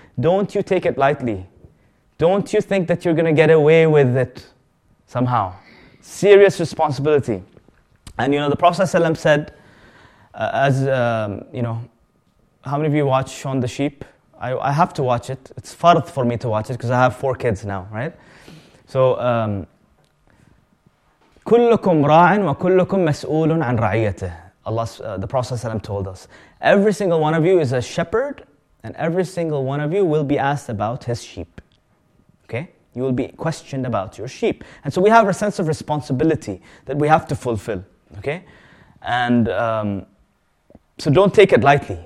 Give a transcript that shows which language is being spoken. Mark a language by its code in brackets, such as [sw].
[en] Don't you take it lightly. Don't you think that you're going to get away with it somehow. Serious responsibility. And the Prophet ﷺ said, how many of you watch Shaun the Sheep? I have to watch it. It's fard for me to watch it because I have four kids now, right? [ar] So, كلكم راع وكلكم مسؤول عن رعيته. [en] Allah, the Prophet ﷺ told us, every single one of you is a shepherd, and every single one of you will be asked about his sheep. Okay, you will be questioned about your sheep, and so we have a sense of responsibility that we have to fulfill. Okay, and so don't take it lightly.